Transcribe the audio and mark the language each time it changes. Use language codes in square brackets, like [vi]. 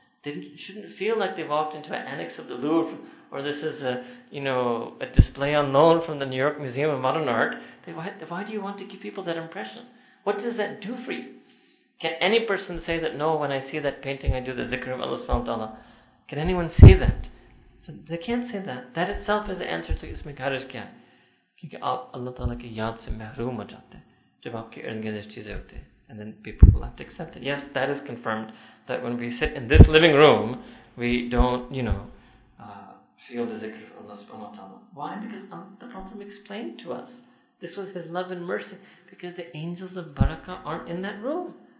[en] They shouldn't feel like they walked into an annex of the Louvre, or this is a, you know, a display on loan from the New York Museum of Modern Art. Why do you want to give people that impression? What does that do for you? Can any person say that, no, when I see that painting, I do the zikr of Allah subhanahu wa ta'ala? Can anyone say that? So they can't say that. That itself is the answer to [ur] isme haraj kya. کیونکہ آپ اللہ تعالیٰ کی یاد سے محروم ہو جاتے ہیں جب آپکے اردگرد اس چیزے ہوتے ہیں۔ [en] And then people will have to accept it. Yes, that is confirmed that when we sit in this living room, we don't, you know, feel the zikr of Allah subhanahu wa ta'ala. Why? Because the Prophet explained to us. This was his love and mercy because the angels of barakah aren't in that room.